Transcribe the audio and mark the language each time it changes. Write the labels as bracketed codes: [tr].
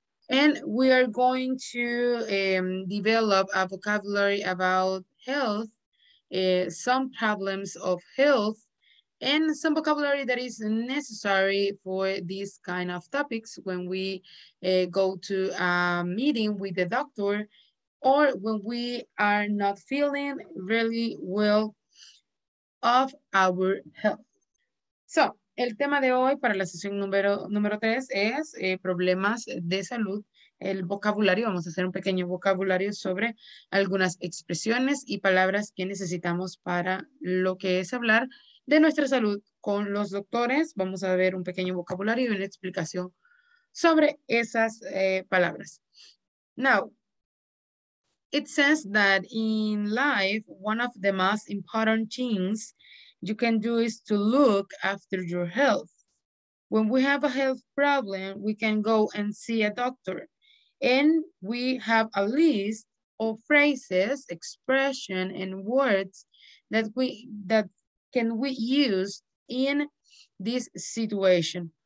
[en] And we are going to develop a vocabulary about health, some problems of health, and some vocabulary that is necessary for these kind of topics when we go to a meeting with the doctor or when we are not feeling really well of our health. [es] So, el tema de hoy para la sesión número 3 es problemas de salud. El vocabulario, vamos a hacer un pequeño vocabulario sobre algunas expresiones y palabras que necesitamos para lo que es hablar de nuestra salud con los doctores. Vamos a ver un pequeño vocabulario y una explicación sobre esas palabras. [en] Now, it says that in life, one of the most important things you can do is to look after your health. When we have a health problem, we can go and see a doctor. And we have a list of phrases, expression, and words that we can use in this situation.